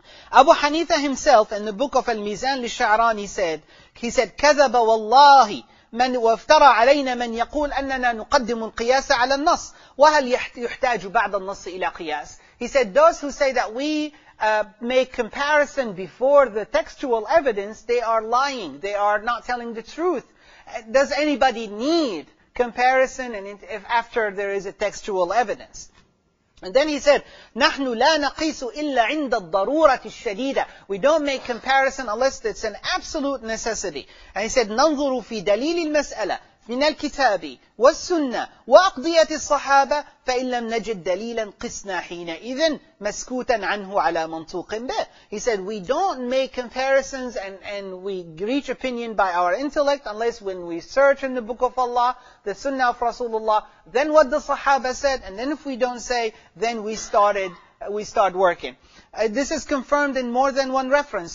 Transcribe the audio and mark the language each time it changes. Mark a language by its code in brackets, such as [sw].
[en] Abu Hanifa himself, in the book of Al-Mizan Lish-Sha'ran, he said, [ar] كَذَبَ وَاللَّهِ مَنْ وَافْتَرَ عَلَيْنَا مَنْ يَقُولَ أَنَّنَا نُقَدِّمُ الْقِيَاسَ عَلَى النَّصِ وَهَلْ يُحْتَاجُ بَعْضَ النَّصِ إِلَى قِيَاسِ. [en] He said, those who say that we make comparison before the textual evidence, they are lying. They are not telling the truth. Does anybody need comparison if after there is a textual evidence? And then he said, [ar] نحن لا نقيس إلا عند الضرورة الشديدة. [en] We don't make comparison unless it's an absolute necessity. And he said, [ar] ننظر في دليل المسألة من الكتاب والسنة وأقضية الصحابة فإن لم نجد دليلا قسنا حينئذ مسكوتا عنه على منطوق به. [en] He said, we don't make comparisons and we reach opinion by our intellect unless when we search in the book of Allah, the sunnah of Rasulullah, then what the Sahaba said, and then if we don't say, then we start working. This is confirmed in more than one reference.